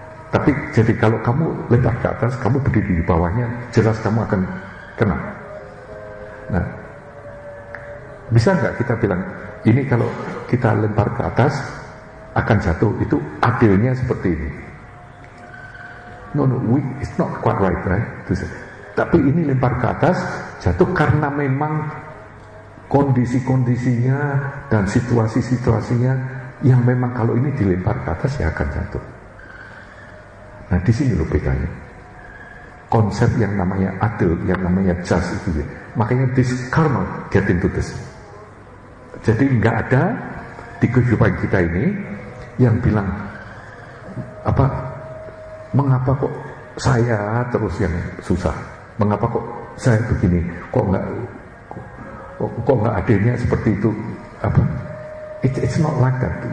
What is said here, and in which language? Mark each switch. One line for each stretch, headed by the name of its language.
Indonesian: Tapi jadi kalau kamu lempar ke atas, kamu berdiri di bawahnya, jelas kamu akan kena. Nah, bisa nggak kita bilang ini kalau kita lempar ke atas akan jatuh, itu adilnya seperti ini?
English: No, it's not quite right, right?
Indonesian: Tapi ini lempar ke atas jatuh karena memang kondisi-kondisinya dan situasi-situasinya yang memang kalau ini dilempar ke atas ya akan jatuh. Nah di sini loh bedanya konsep yang namanya adil, yang namanya just itu ya.
English: Makanya this karma get into this.
Indonesian: Jadi nggak ada di kehidupan kita ini yang bilang apa, mengapa kok saya terus yang susah, mengapa kok saya begini, kok nggak adilnya seperti itu, apa? It's not like that.